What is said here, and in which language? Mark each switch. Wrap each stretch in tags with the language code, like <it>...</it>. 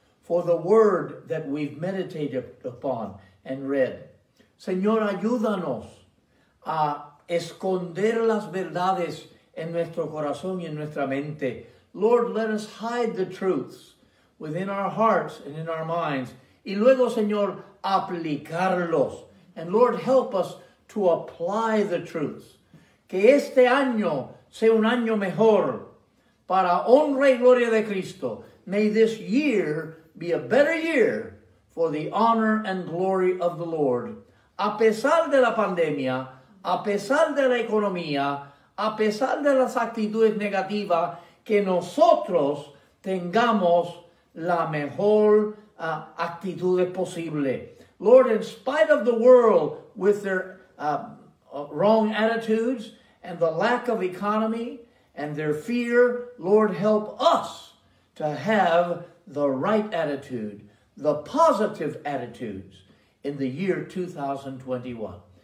<en>For the word that we've meditated upon and read.</en> <es>Señor, ayúdanos a esconder las verdades en nuestro corazón y en nuestra mente.</es> <en>Lord, let us hide the truths within our hearts and in our minds.</en> <es>Y luego, Señor, aplicarlos.</es> <en>And Lord, help us to apply the truths.</en> <es>Que este año sea un año mejor para honra y gloria de Cristo.</es> <en>May this year be a better year for the honor and glory of the Lord.</en> <es>A pesar de la pandemia, a pesar de la economía, a pesar de las actitudes negativas, que nosotros tengamos la mejor actitud posible.</es> <en>Lord, in spite of the world with their wrong attitudes and the lack of economy and their fear, Lord, help us to have the right attitude, the positive attitudes in the year 2021.</en>